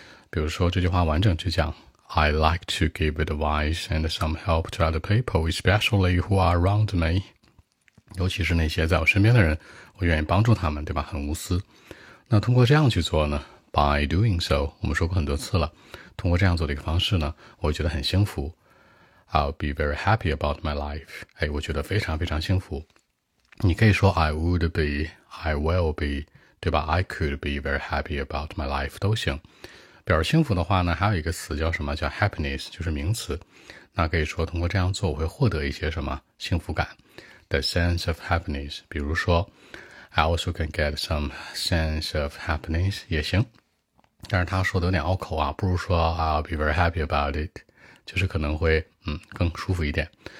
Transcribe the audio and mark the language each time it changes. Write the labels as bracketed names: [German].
[Chinese] 比如说这句话完整就讲 [English] I like to give advice and some help to other people, especially who are around me, [Chinese] 尤其是那些在我身边的人，我愿意帮助他们，对吧？很无私。那通过这样去做呢 ？ [English] By doing so, [Chinese] 我们说过很多次了。通过这样做的一个方式呢，我觉得很幸福。 [English] I'll be very happy about my life. [Chinese] 哎，我觉得非常非常幸福。你可以说 [English] I would be, I will be, [Chinese] 对吧 [English] ？I could be very happy about my life [Chinese] 都行。表示幸福的话呢，还有一个词叫什么？叫 happiness, 就是名词。那可以说通过这样做，我会获得一些什么幸福感。 [English] The sense of happiness, [Chinese] 比如说 [English] I also can get some sense of happiness, [Chinese] 也行。但是他说的有点拗口啊，不如说 [English] I'll be very happy about it, [Chinese] 就是可能会更舒服一点。